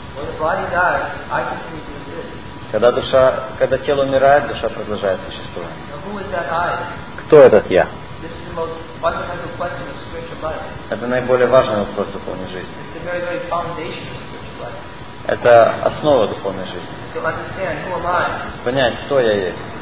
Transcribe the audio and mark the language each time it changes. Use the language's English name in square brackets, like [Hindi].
[English] When the body dies, I continue to exist. [Russian] Когда тело умирает, душа продолжает существовать. [English] Now, who is that I? [Russian] Кто этот я? [English] This is the most fundamental question of spiritual life. [Russian] Это наиболее важный вопрос в духовной жизни. [English] It's the very, very foundation of spiritual life. [Russian] Это основа духовной жизни. Понять, кто я есть.